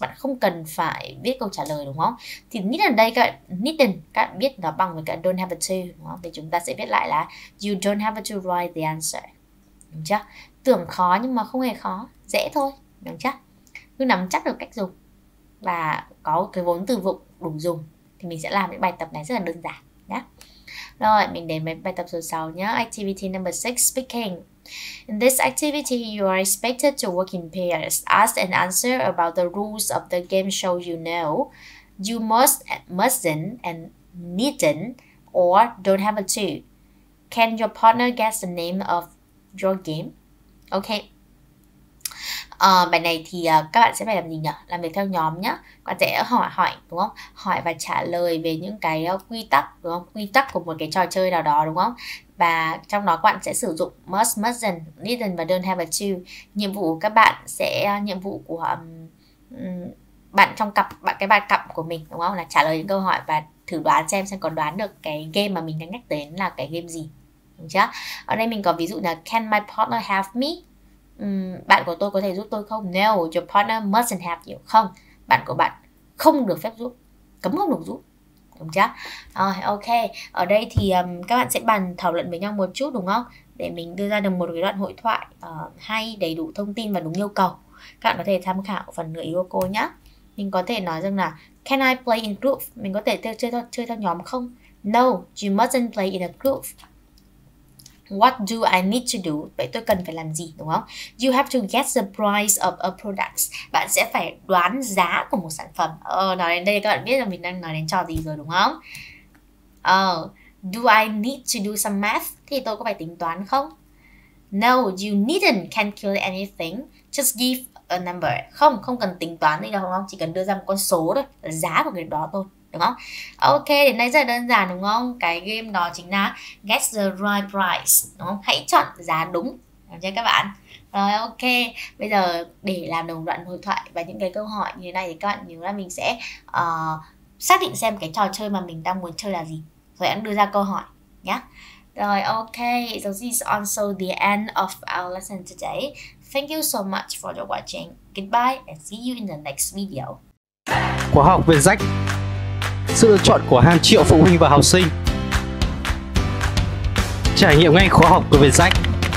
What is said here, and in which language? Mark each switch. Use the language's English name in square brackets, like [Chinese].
[Vietnamese] Bạn không cần phải viết câu trả lời, đúng không? Thì needn't đây, các bạn biết nó bằng với cả don't have a to, đúng không? Thì chúng ta sẽ viết lại là [English] you don't have to write the answer, [Vietnamese] đúng chưa? Tưởng khó nhưng mà không hề khó, dễ thôi, đúng chưa? Cứ nắm chắc được cách dùng và có cái vốn từ vựng đủ dùng thì mình sẽ làm những bài tập này rất là đơn giản. Rồi, mình đến với bài tập số 6 nhé. [English] Activity number 6, speaking. In this activity, you are expected to work in pairs. Ask and answer about the rules of the game show you know. You must, mustn't, and needn't, or don't have a to. Can your partner guess the name of your game? Ok. [Vietnamese] Bài này thì các bạn sẽ phải làm gì nhỉ? Làm việc theo nhóm nhá. Bạn sẽ hỏi đúng không? Hỏi và trả lời về những cái quy tắc đúng không? Quy tắc của một cái trò chơi nào đó đúng không? Và trong đó các bạn sẽ sử dụng must, mustn't, needn't và don't have a to. Nhiệm vụ của các bạn sẽ nhiệm vụ của bạn trong cặp, bạn cặp của mình đúng không? Là trả lời những câu hỏi và thử đoán xem có đoán được cái game mà mình đang nhắc đến là cái game gì. Đúng chưa? Ở đây mình có ví dụ là [English] can my partner have me? [Vietnamese] Bạn của tôi có thể giúp tôi không? [English] No, your partner mustn't have you. [Vietnamese] Không, bạn của bạn không được phép giúp. Cấm không được giúp. Đúng chưa? Rồi, ok. Ở đây thì các bạn sẽ bàn thảo luận với nhau một chút đúng không? Để mình đưa ra được một cái đoạn hội thoại hay, đầy đủ thông tin và đúng yêu cầu. Các bạn có thể tham khảo phần người yêu của cô nhá. Mình có thể nói rằng là [English] can I play in group? [Vietnamese] Mình có thể chơi theo nhóm không? [English] No, you mustn't play in a group. What do I need to do? [Vietnamese] Vậy tôi cần phải làm gì đúng không? [English] You have to guess the price of a product. [Vietnamese] Bạn sẽ phải đoán giá của một sản phẩm. Nói đến đây các bạn biết là mình đang nói đến trò gì rồi đúng không? [English] Do I need to do some math? [Vietnamese] Thì tôi có phải tính toán không? [English] No, you needn't calculate anything. Just give a number. [Vietnamese] Không, không cần tính toán gì đâu đúng không? Chỉ cần đưa ra một con số thôi, giá của cái đó thôi. Đúng không? Ok, đến đây rất là đơn giản đúng không? Cái game đó chính là Guess the right price, đúng không? Hãy chọn giá đúng, đúng chưa các bạn? Rồi ok, bây giờ để làm đồng đoạn hội thoại và những cái câu hỏi như thế này thì các bạn nhớ là mình sẽ xác định xem cái trò chơi mà mình đang muốn chơi là gì, rồi anh đưa ra câu hỏi nhé. Rồi [English] ok, so this is also the end of our lesson today. Thank you so much for your watching. Goodbye and see you in the next video. [Vietnamese] Khóa học viên rách, sự lựa chọn của hàng triệu phụ huynh và học sinh. Trải nghiệm ngay khóa học của Vietjet.